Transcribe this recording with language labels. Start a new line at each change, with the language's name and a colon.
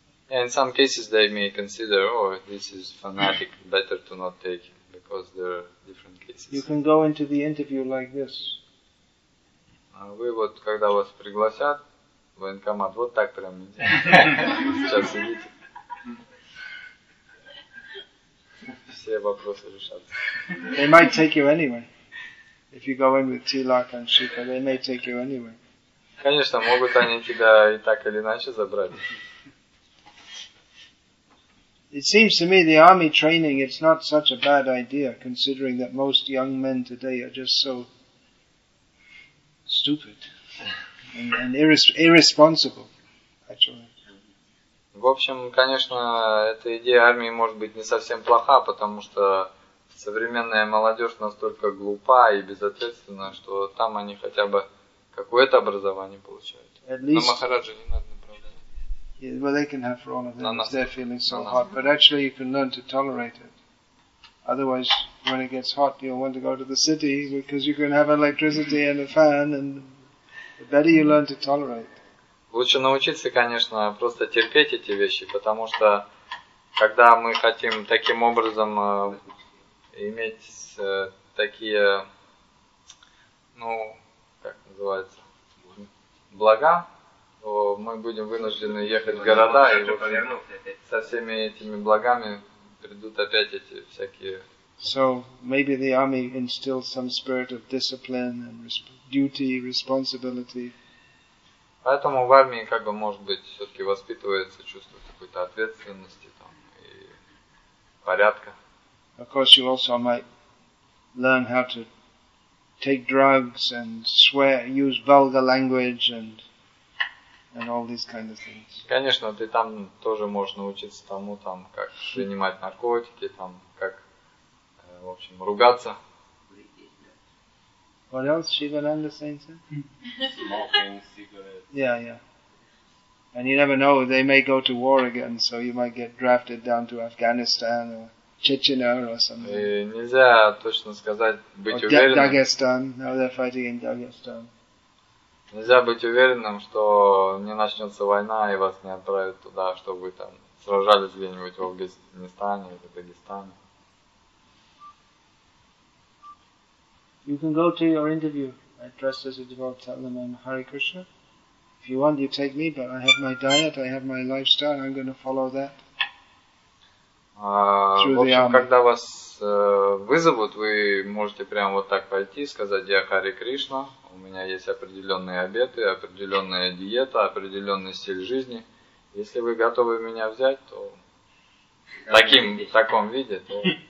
English: Yeah, in some cases they may consider, oh, this is fanatic, better to not take him. Because there are different cases. You can go into the interview like this.
Russian: Вы вот когда вас пригласят в военкомат, вот так прямо идите. Сейчас сидите. Все вопросы решатся.
English: They might take you anyway. If you go in with Tilak and Shika, they may take you anyway.
Russian: Конечно, могут они тебя и так или иначе забрать.
English: It seems to me the army training it's not such a bad idea considering that most young men today are just so stupid and irresponsible actually.
Russian: В общем, конечно, эта идея армии может быть не совсем плоха, потому что современная молодежь настолько глупа и безответственна, что там они хотя бы какое-то образование получают. Но Махараджа не надо.
English: Yeah, well, they can have for all of them if they're feeling so hot. But actually, you can learn to tolerate it. Otherwise, when it gets hot, you'll want to go to the city because you can have electricity and a fan. And the better you learn to tolerate.
Russian: Лучше научиться, конечно, просто терпеть эти вещи, потому что когда мы хотим таким образом иметь такие, ну, как называется, блага. Мы будем вынуждены ехать в города, и в общем, со всеми этими благами придут опять эти всякие.
English: So maybe the army instills some spirit of discipline and duty, responsibility.
Russian: Поэтому в армии как бы может быть все-таки воспитывается чувство какой-то ответственности там и порядка.
English: Of course, you also might learn how to take drugs and swear, use vulgar language and all these kind of things.
Russian: Конечно, ты там тоже можешь научиться тому, там, как принимать наркотики, там, как, в общем, ругаться.
English: What else, Shivananda saying, sir? Smoking cigarettes. Yeah, yeah. And you never know, they may go to war again, so you might get drafted down to Afghanistan or Chechnya or something.
Russian: И нельзя точно сказать, быть уверенным.
English: Dagestan, now they're fighting in Dagestan.
Russian: Нельзя быть уверенным, что не начнется война и вас не отправят туда, чтобы вы там сражались где-нибудь в Афганистане или Дагестане.
English: You can go to your interview. I dressed as a devotee, tell them I'm Hare Krishna. If you want, you take me, but I have my diet, I have my lifestyle, I'm going to follow that.
Russian: Когда вас вызовут, вы можете прямо вот так пойти и сказать, я Харе Кришна, у меня есть определенные обеты, определенная диета, определенный стиль жизни. Если вы готовы меня взять, то в таком виде, то